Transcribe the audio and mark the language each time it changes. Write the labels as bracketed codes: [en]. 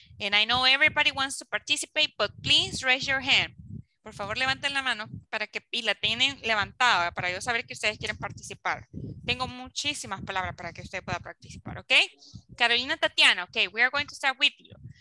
[en] And I know everybody wants to participate, but please raise your hand. [es] Por favor, levanten la mano para que, y la tienen levantada para yo saber que ustedes quieren participar. Tengo muchísimas palabras para que usted pueda participar, ¿ok? [en] Carolina Tatiana, ok, we are going to start with you.